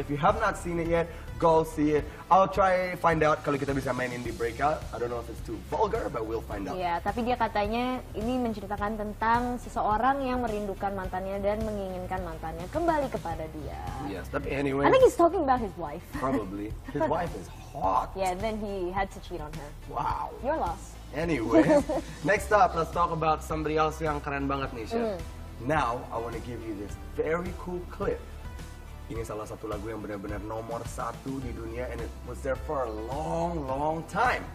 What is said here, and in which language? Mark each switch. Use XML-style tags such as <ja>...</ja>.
<en>If you have not seen it yet, go see it. I'll try find out</en> <id>kalau kita bisa mainin di breakout.</id> <en>I don't know if it's too vulgar, but we'll find out.</en> <id>Iya, tapi dia katanya ini menceritakan tentang seseorang yang merindukan mantannya dan menginginkan mantannya kembali kepada dia.</id> <en>Yes, tapi anyway. I think he's talking about his wife. Probably. His wife is hot. Yeah, and then he had to cheat on her. Wow. Your loss. Anyway, next up, let's talk about somebody else</en> <id>yang keren banget nih,</id> <en>Chef. Now, I want to give you this very cool clip.</en> <id>Ini salah satu lagu yang benar-benar nomor satu di dunia,</id> <en>and it was there for a long, long time.</en>